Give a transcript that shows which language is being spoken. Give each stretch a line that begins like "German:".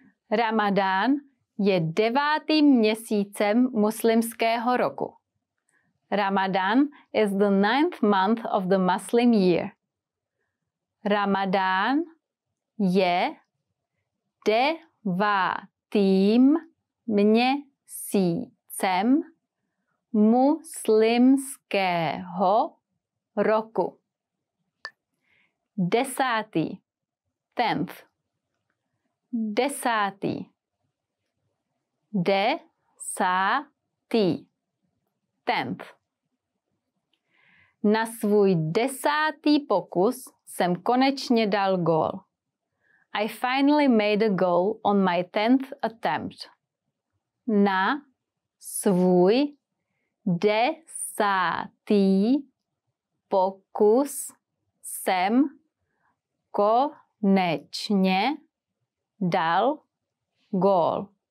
Czech: Ramadán je devátým měsícem muslimského roku.
English: Ramadán is the ninth month of the Muslim year.
Czech: Ramadán je devátým měsícem muslimského roku. Desátý,
English: tenth,
Czech: desátý, desátý, tenth. Na svůj desátý pokus jsem konečně dal gól.
English: I finally made a goal on my 10th attempt.
Czech: Na svůj desátý pokus jsem konečně dal gól.